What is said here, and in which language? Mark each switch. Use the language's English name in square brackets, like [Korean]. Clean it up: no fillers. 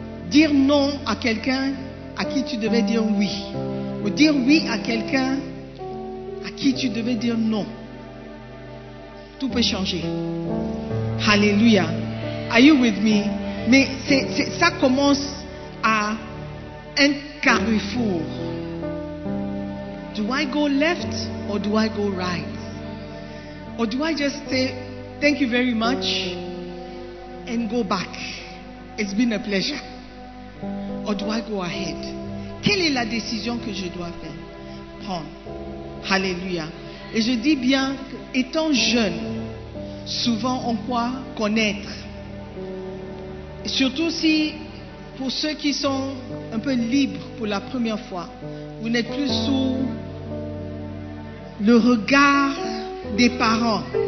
[French] Dire non à quelqu'un à qui tu devais dire oui, ou dire oui à quelqu'un à qui tu devais dire non, tout peut changer. Alléluia. [English] Are you with me? [French] Mais ça commence à un carrefour. [English] Do I go left or do I go right? Or do I just say thank you very much and go back? It's been a pleasure. Or do I go ahead? [French] Quelle est la décision que je dois faire? Prendre. Alléluia. Et je dis bien, étant jeune, souvent on croit connaître. Surtout si, pour ceux qui sont un peu libres pour la première fois, vous n'êtes plus sous le regard des parents.